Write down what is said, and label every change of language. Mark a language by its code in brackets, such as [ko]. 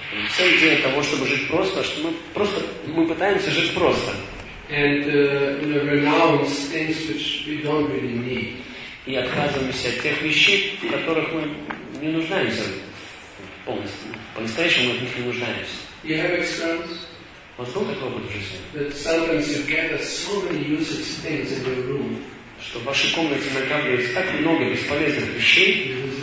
[ru] Вся идея того, чтобы жить просто, что мы просто мы пытаемся жить просто. [en] And renounce things which we don't really need. [ru] И отказываемся от тех вещей, в которых мы не нуждаемся полностью. По-настоящему мы в них не нуждаемся. [en] You have experience? [ru] У вас был такой опыт в жизни? [en] That sometimes you gather so many useless things in your room. [ru] Что в вашей комнате накапливается так много бесполезных вещей.